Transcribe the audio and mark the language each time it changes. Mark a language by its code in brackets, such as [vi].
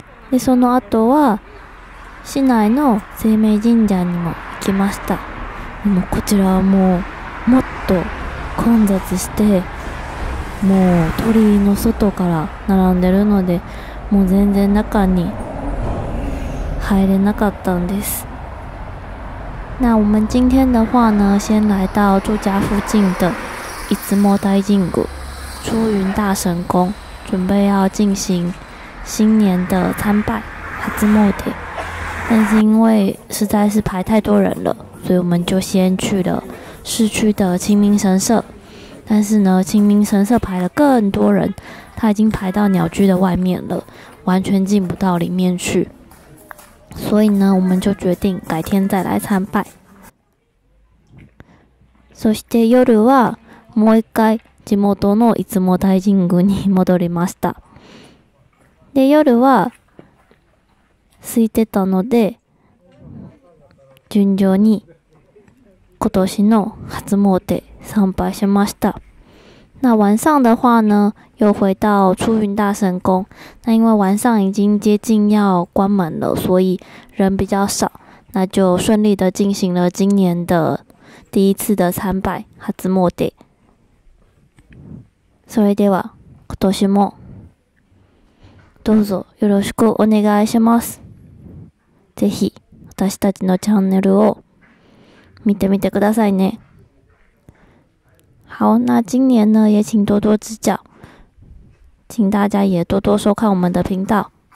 [ja] でその後は市内の清明神社にも行きました。でもこちらはもうもっと混雑して、もう鳥居の外から並んでるので、もう全然中に入れなかったんです。 [zh] 那我们今天的话呢，先来到住家附近的出雲大神宮、出雲大神宮，准备要进行新年的参拜、初詣。但是因为实在是排太多人了，所以我们就先去了市区的清明神社。但是呢，清明神社排了更多人，他已经排到鸟居的外面了，完全进不到里面去。所以呢，我们就决定改天再来参拜。 [ja] そして夜はもう一回地元の出雲大神宮に戻りました。で夜は空いてたので順調に今年の初詣参拝しました。 [zh] 那晚上的话呢，又回到出云大神宫。那因为晚上已经接近要关门了，所以人比较少，那就顺利的进行了今年的第一次的参拜初詣。 [ja] それでは今年もどうぞよろしくお願いします。ぜひ私たちのチャンネルを見てみてくださいね。 [zh] 好，那今年呢也请多多指教，请大家也多多收看我们的频道。